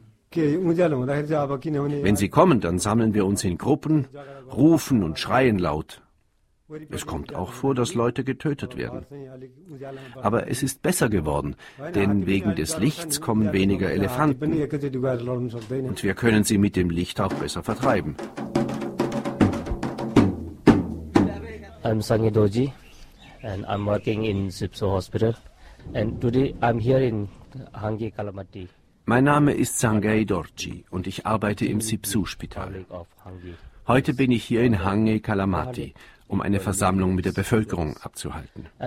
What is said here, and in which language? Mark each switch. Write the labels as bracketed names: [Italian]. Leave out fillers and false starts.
[German] Wenn sie kommen, dann sammeln wir uns in Gruppen, rufen und schreien laut. Es kommt auch vor, dass Leute getötet werden. Aber es ist besser geworden, denn wegen des Lichts kommen weniger Elefanten. Und wir können sie mit dem Licht auch besser vertreiben. [English] I'm Sangye Doji and I'm working in Sipso Hospital. And today I'm here in Hangi Kalamati. [German] Mein Name ist Sangye Doji und ich arbeite im Sipso-Spital. Heute bin ich hier in Hangi Kalamati, um eine Versammlung mit der Bevölkerung abzuhalten.